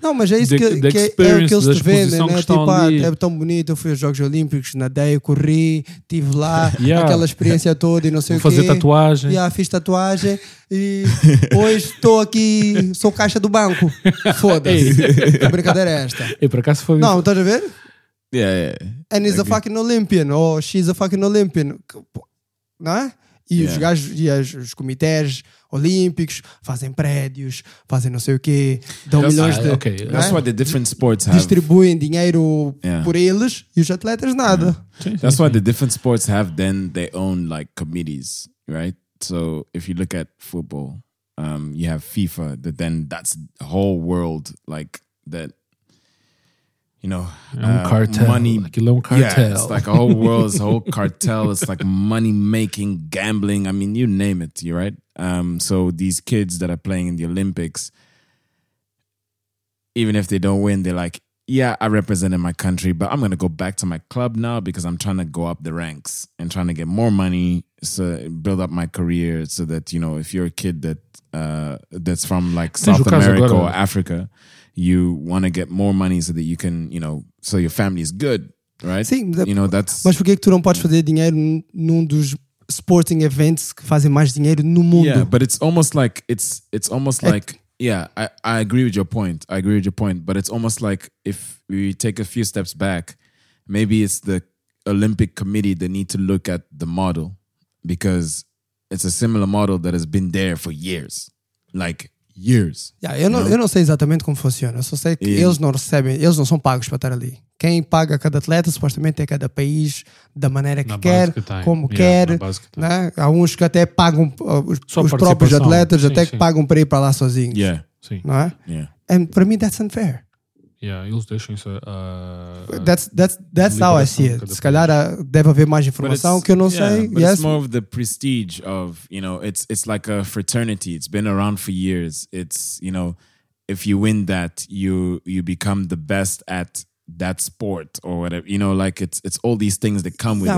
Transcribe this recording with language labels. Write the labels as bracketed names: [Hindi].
[Portuguese] Não, mas é isso que é o que eles te vendem, né? Tipo, ah, é tão bonito, eu fui aos Jogos Olímpicos, nadei, corri, estive lá, yeah, aquela experiência toda e não sei vou o fazer quê. Fazer tatuagem. E yeah, fiz tatuagem e hoje estou aqui, sou caixa do banco. Foda-se. A brincadeira é esta. E por acaso foi. Não, estás a ver? [English] Yeah, yeah. And he's a fucking Olympian, [Portuguese] ou [English] she's a fucking Olympian. [Portuguese] Não é? E yeah, os gajos e os comitês olímpicos fazem prédios, fazem não sei o quê, dão milhões de... [English] Okay. That's why the different sports have... [Portuguese] Distribuem dinheiro por eles e os atletas nada. [English] Yeah. That's why the different sports have then their own like committees, right? So if you look at football, you have FIFA, that then that's the whole world like that... You know, cartel. Money. Like a cartel. Yeah, it's like a whole world's whole cartel. It's like money making, gambling. I mean, you name it, you're right. So these kids that are playing in the Olympics, even if they don't win, they're like, yeah, I represented my country, but I'm going to go back to my club now because I'm trying to go up the ranks and trying to get more money, so build up my career so that, you know, if you're a kid that that's from like South America or Africa, you want to get more money so that you can, you know, so your family is good, right? [Portuguese] Sim, [English] you know, that's... [Portuguese] Mas por que tu não podes fazer dinheiro num dos [English] sporting events [Portuguese] que fazem mais dinheiro no mundo? [English] Yeah, but it's almost like, it's almost like, yeah, I agree with your point. I agree with your point. But it's almost like if we take a few steps back, maybe it's the Olympic Committee that need to look at the model because it's a similar model that has been there for years. Like... Years. [Portuguese] Yeah, eu não sei exatamente como funciona. Eu só sei que eles não recebem, eles não são pagos para estar ali. Quem paga cada atleta supostamente é cada país da maneira que quer, como quer. Né? Há uns que até pagam os próprios atletas, que pagam para ir para lá sozinhos. Yeah, sim. Não é? [English] Yeah. And for me, that's unfair. [Portuguese] Yeah, eles deixam isso. [English] That's how I see it. [Portuguese] Se calhar deve haver mais informação que eu não sei. [English] But yes, it's more of the prestige of, you know, it's like a fraternity. It's been around for years. It's, you know, if you win that, you become the best at that sport or whatever. You know, like it's all these things that come with it.